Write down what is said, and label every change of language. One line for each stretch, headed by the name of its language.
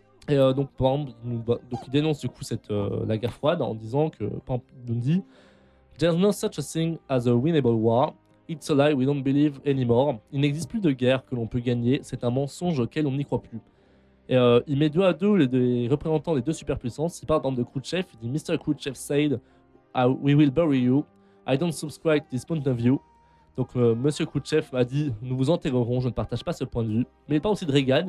French: Et donc, par exemple, donc il dénonce du coup la guerre froide en disant que, par exemple, il dit «
English: There's no such a thing as a winnable war. It's a lie we don't believe anymore.
French: Il n'existe plus de guerre que l'on peut gagner. C'est un mensonge auquel on n'y croit plus. Et il met deux à deux les représentants des deux superpuissances. Il parle de Khrushchev. Il dit « Mr.
English: Khrushchev said, we will bury you. I don't subscribe to this point of view.
French: » Donc, Monsieur Khrushchev a dit « Nous vous enterrerons, je ne partage pas ce point de vue. » Mais il parle aussi de Reagan.